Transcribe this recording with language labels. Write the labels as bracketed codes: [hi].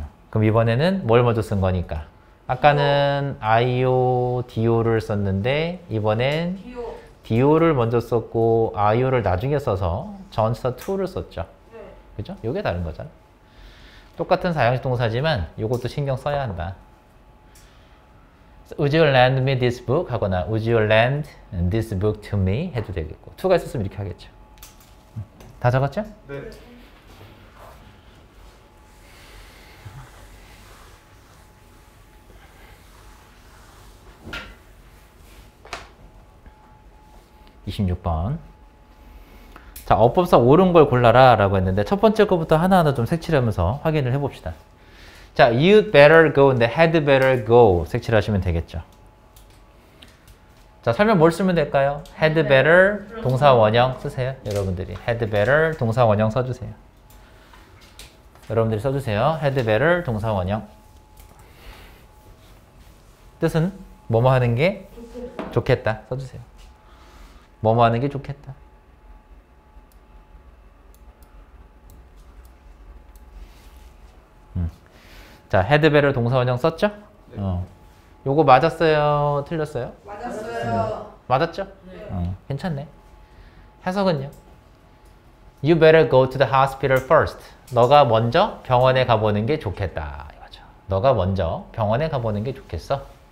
[ko] 그럼 이번에는 뭘 먼저 쓴 거니까? 아까는 IO, DO를 썼는데, 이번엔 DO를 먼저 썼고, IO를 나중에 써서 전사 to를 썼죠. 네. 그죠? 요게 다른 거잖아. 똑같은 4형식 동사지만 이것도 신경 써야 한다. [en] So, would you lend me this book? [ko] 하거나 [en] Would you lend this book to me? [ko] 해도 되겠고 to가 있었으면 이렇게 하겠죠. 다 적었죠? 네. 26번 자, 어법사 옳은 걸 골라라 라고 했는데 첫 번째 거부터 하나하나 좀 색칠하면서 확인을 해봅시다. [en] 자, you'd better go인데 had better go [ko] 색칠하시면 되겠죠. 자, 설명 뭘 쓰면 될까요? had better 동사원형 쓰세요. 여러분들이 had better 동사원형 써주세요. 여러분들이 써주세요. had better 동사원형 뜻은 뭐뭐 하는 게 좋겠다 써주세요. 뭐뭐 하는 게 좋겠다. 자, 헤드베를 동사원형 썼죠? 네. 요거 맞았어요? 틀렸어요? 맞았어요. 맞았죠? 네. 괜찮네. 해석은요? [en] You better go to the hospital first. [ko] 너가 먼저 병원에 가보는 게 좋겠다. 이거죠. 너가 먼저 병원에 가보는 게 좋겠어.